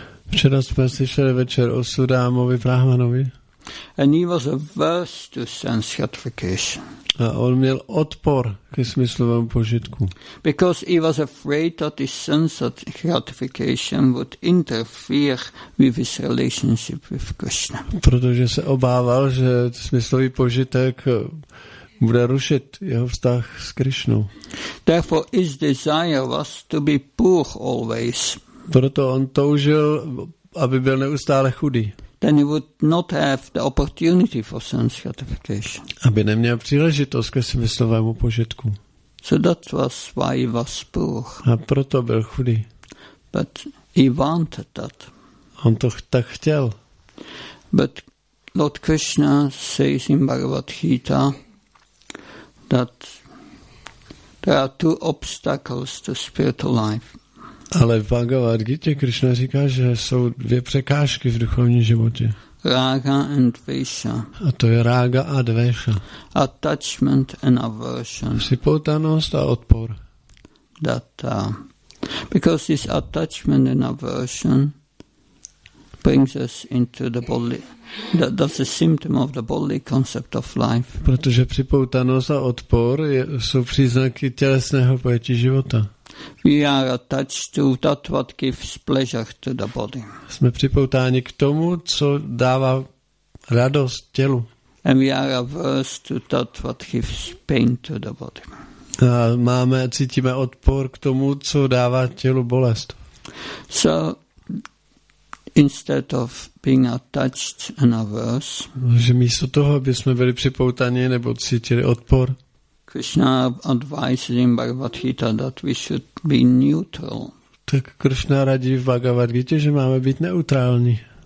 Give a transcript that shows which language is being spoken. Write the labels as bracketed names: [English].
[Czech] Včera jsme slyšeli večer o Sudámovi Brahmanovi. [English] And he was averse to sense gratification. [Czech] A on měl odpor ke smyslovému požitku. [English] Because he was afraid that his sense gratification would interfere with his relationship with Krishna. [Czech] Protože se obával, že smyslový požitek bude rušit jeho vztah s Krišnou. [English] Therefore his desire was to be poor always. [Czech] Proto on toužil, aby byl neustále chudý. [English] Then he would not have the opportunity for sense gratification. [Czech] Aby neměl příležitost ke smyslovému požitku. [English] So that was why he was poor. [Czech] A proto byl chudý. [English] But he wanted that. [Czech] On to tak chtěl. [English] But Lord Krishna says in Bhagavad Gita that there are two obstacles to spiritual life. [Czech] Ale v Bhagavad Gita Krishna říká, že jsou dvě překážky v duchovním životě. [English] Raga and dvesha. [Czech] A to je rága a dvesha. [English] Attachment and aversion. [Czech] Připoutanost a odpor. [English] That, because this attachment and aversion brings us into the bodily, that's a symptom of the bodily concept of life. [Czech] Protože připoutanost a odpor jsou příznaky tělesného pojetí života. [English] We are attached to that what gives pleasure to the body. [Czech] Jsme připoutáni k tomu, co dává radost tělu. [English] And we are averse to that what gives pain to the body. [Czech] A máme, cítíme odpor k tomu, co dává tělu bolest. [English] So instead of being attached and averse, [Czech] že místo toho, aby jsme byli připoutáni nebo cítili odpor, [English] Krishna advises in Bhagavad Gita that we should be neutral. [Czech] Tak Krishna radí v Bhagavad Gita, že máme být neutrální.